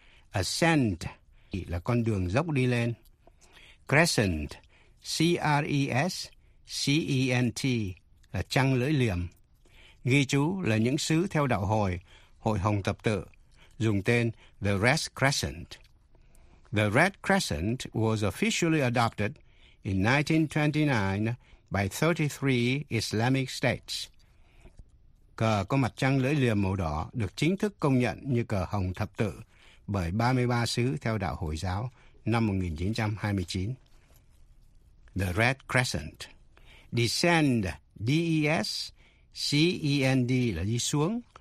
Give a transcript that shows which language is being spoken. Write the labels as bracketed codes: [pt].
[vi] Ascend, là con đường dốc đi lên. Crescent, C-R-E-S-C-E-N-T, là trăng lưỡi liềm. Ghi chú là những sứ theo đạo Hồi, Hội Hồng Thập Tự, dùng tên The Red Crescent. [en] The Red Crescent was officially adopted in 1929 by 33 Islamic states. [vi] Cờ có mặt trăng lưỡi liềm màu đỏ được chính thức công nhận như cờ Hồng Thập Tự bởi 33 sứ theo đạo Hồi giáo năm 1929. [en] The Red Crescent. Descend, D-E-S-C-E-N-D, [vi] là đi xuống.